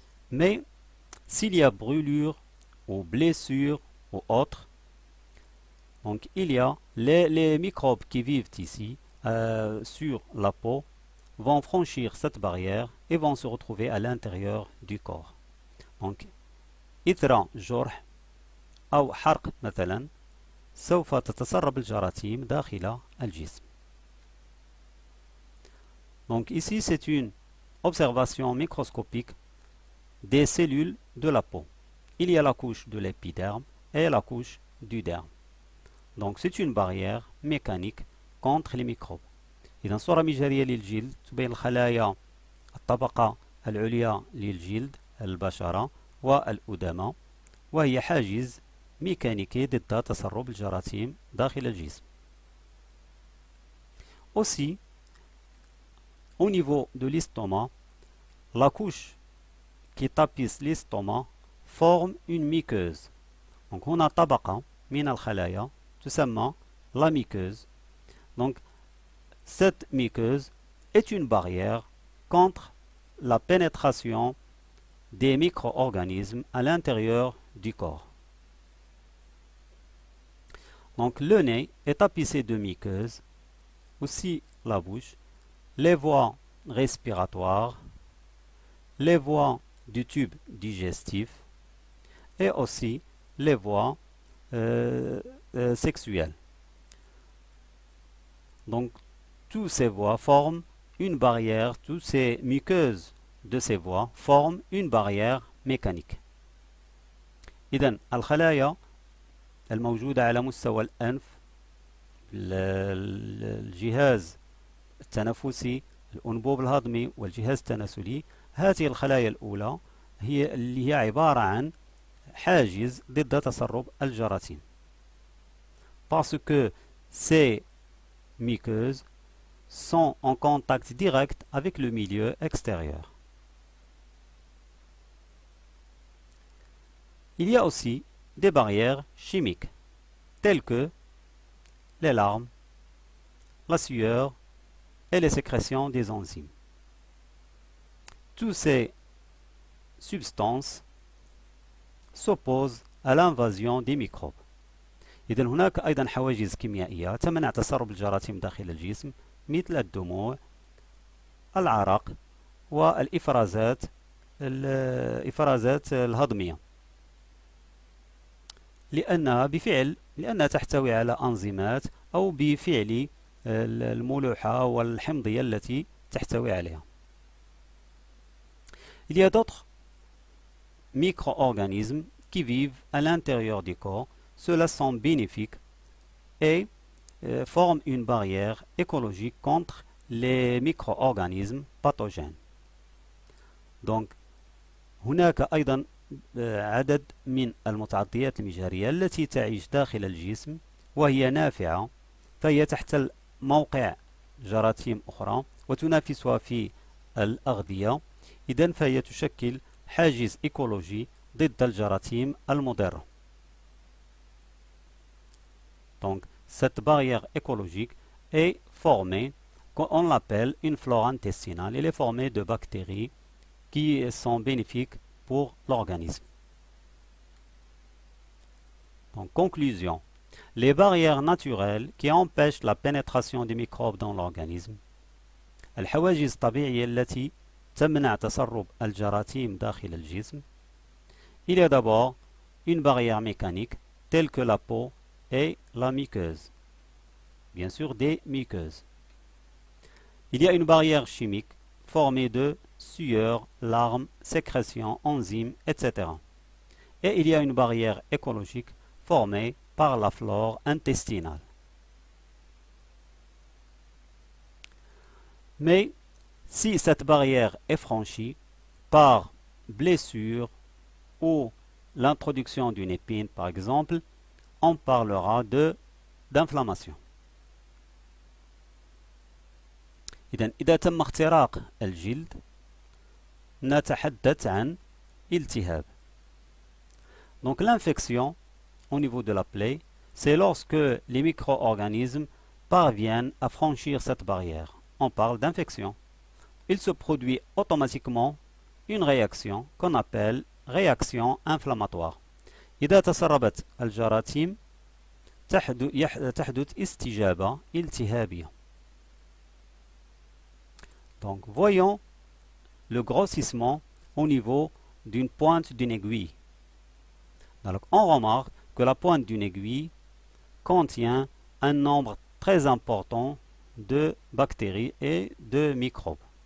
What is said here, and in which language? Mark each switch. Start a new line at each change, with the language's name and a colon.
French: Mais s'il y a brûlure ou blessure ou autre, donc il y a les microbes qui vivent ici sur la peau vont franchir cette barrière et vont se retrouver à l'intérieur du corps. Donc,
Arabic: إثرا جرح أو حرق مثلا سوف تتسرب الجراثيم داخل الجسم.
French: Donc ici c'est une observation microscopique des cellules de la peau. Il y a la couche de l'épiderme et la couche du derme. Donc c'est une barrière mécanique contre les microbes.
Arabic: إذا صورة مجهرية للجلد تبين الخلايا الطبقة العليا للجلد البشرة والأدامة وهي حاجز ميكانيكي ضد تسرب الجراثيم داخل الجسم.
French: Aussi, au niveau de l'estomac, la couche qui tapisse l'estomac forme une muqueuse. Donc on a
Arabic: طبقة من الخلايا تسمى
French: la muqueuse. Donc cette muqueuse est une barrière contre la pénétration des micro-organismes à l'intérieur du corps. Donc le nez est tapissé de muqueuse, aussi la bouche, les voies respiratoires, les voies du tube digestif et aussi les voies sexuelles. Donc toutes ces voies forment une barrière, toutes ces muqueuses de ces voies forment une barrière mécanique.
Arabic: إذن الخلايا الموجودة على مستوى الأنف, الجهاز التنفسي, الأنبوب الهضمي والجهاز التناسلي, هذه الخلايا الأولى هي اللي هي عبارة عن حاجز ضد تسرب الجراثيم.
French: Parce que Ces muqueuses sont en contact direct avec le milieu extérieur. Il y a aussi des barrières chimiques, telles que les larmes, la sueur et les sécrétions des enzymes. Toutes ces substances s'opposent à l'invasion des microbes.
Arabic: إذن هناك أيضا حواجز كيميائية تمنع تسرب الجراثيم داخل الجسم مثل الدموع، العرق والإفرازات الإفرازات الهضمية، لأنها تحتوي على أنزيمات أو بفعل الملوحة والحمضية التي تحتوي عليها.
French: Il y a d'autres micro-organismes qui vivent à l'intérieur du corps. Cela semble bénéfique et forme une barrière écologique contre les micro-organismes pathogènes. Donc,
Arabic: هناك أيضا عدد من المتعطيات المجهرية التي تعيش داخل الجسم وهي نافعة، فهي تحتل موقع جراثيم أخرى وتنافسها في الأغذية، إذن فهي تشكل حاجز إيكولوجي ضد الجراثيم المضرة.
French: Donc, cette barrière écologique est formée, on l'appelle une flore intestinale. Elle est formée de bactéries qui sont bénéfiques pour l'organisme. Donc, conclusion. Les barrières naturelles qui empêchent la pénétration des microbes dans l'organisme.
Arabic: الحواجز الطبيعية التي تمنع تسرب الجراثيم داخل الجسم.
French: Il y a d'abord une barrière mécanique telle que la peau et la muqueuse, bien sûr des muqueuses. Il y a une barrière chimique formée de sueur, larmes, sécrétions, enzymes, etc. Et il y a une barrière écologique formée par la flore intestinale. Mais si cette barrière est franchie par blessure ou l'introduction d'une épine, par exemple, on parlera de d'inflammation.
Arabic: إذن إذا تم اختراق الجلد نتحدث عن التهاب.
French: Donc l'infection au niveau de la plaie, c'est lorsque les micro-organismes parviennent à franchir cette barrière. On parle d'infection. Il se produit automatiquement une réaction qu'on appelle réaction inflammatoire.
Arabic: إذا تسربت الجراثيم تحدث استجابة التهابية.
French: Donc, voyons le grossissement au niveau d'une pointe d'une aiguille. Donc, on remarque que la pointe d'une aiguille contient un nombre très important de bactéries et de microbes.